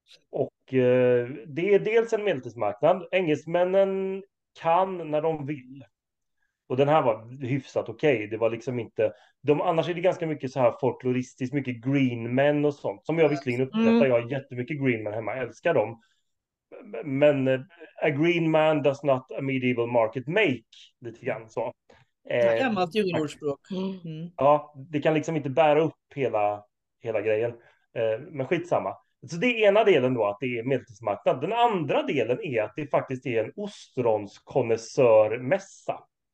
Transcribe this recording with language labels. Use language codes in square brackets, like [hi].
[sv] Och det är dels en medeltidsmarknad. Engelsmännen kan när de vill. Och den här var hyfsat okej. Okay. Det var liksom inte... annars är det ganska mycket så här folkloristiskt. Mycket green men och sånt. Som jag visserligen upprättar. Mm. Jag har jättemycket green men hemma. Jag älskar dem. [en] Men a green man does not a medieval market make. [sv] Lite grann så. Det är gammalt jordordspråk. Ja, det kan liksom inte bära upp hela grejen. Men skitsamma. Så det är ena delen då, att det är medeltidsmarknad. Den andra delen är att det faktiskt är en ostronskonnässörmässa.